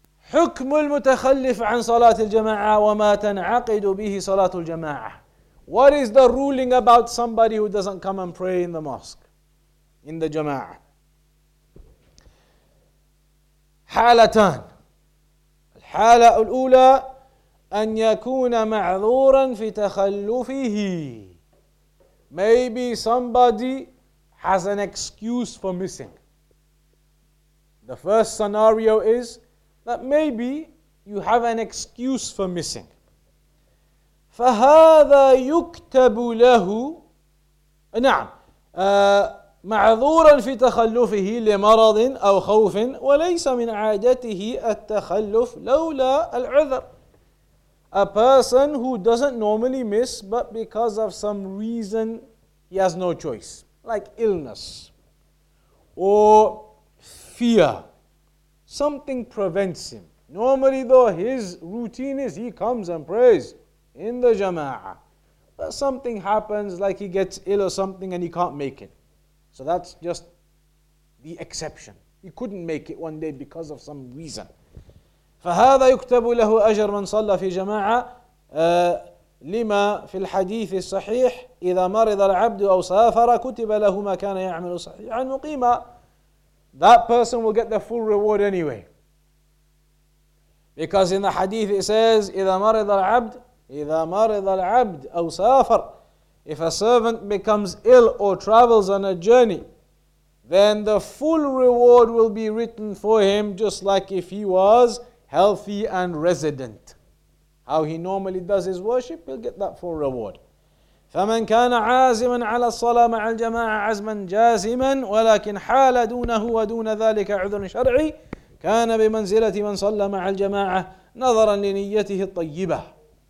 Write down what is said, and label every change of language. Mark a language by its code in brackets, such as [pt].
[ar] حكم المتخلف عن صلاة الجماعة وما تنعقد به صلاة الجماعة. [en] What is the ruling about somebody who doesn't come and pray in the mosque, in the jama'ah? [ar] حالتان. الحالة الأولى أن يكون معذورا في تخلفه. [en] Maybe somebody has an excuse for missing. The first scenario is that maybe you have an excuse for missing. [ar] فهذا يكتب له نعم معذورا في تخلفه لمرض أو خوف وليس من عادته التخلف لولا العذر. [en] A person who doesn't normally miss but because of some reason he has no choice, like illness or fear, something prevents him. Normally though his routine is he comes and prays in the jama'ah, but something happens, like he gets ill or something and he can't make it. So that's just the exception. He couldn't make it one day because of some reason. [ar] فهذا يكتب له أجر من صلى في جماعة لما في الحديث الصحيح إذا مرض العبد أو سافر كتب له ما كان يعمل صحيحا مقيما. [en] That person will get the full reward anyway. Because in the hadith it says [ar] إذا مرض العبد أو سافر. [en] If a servant becomes ill or travels on a journey, then the full reward will be written for him, just like if he was healthy and resident. How he normally does his worship, he'll get that full reward. [ar] فَمَنْ كَانَ عَازِمًا عَلَى الصَّلَاةِ مَعَ الْجَمَاعَةِ عَزْمًا جَازِمًا وَلَكِنْ حَالَ دُونَهُ وَدُونَ ذَلِكَ عُذْرٌ شَرْعِي كَانَ بِمَنْزِلَةِ مَنْ صَلَّى مَعَ الْجَمَاعَةِ نَظَرًا لِنِيَّتِهِ الطَّيِّبَةِ.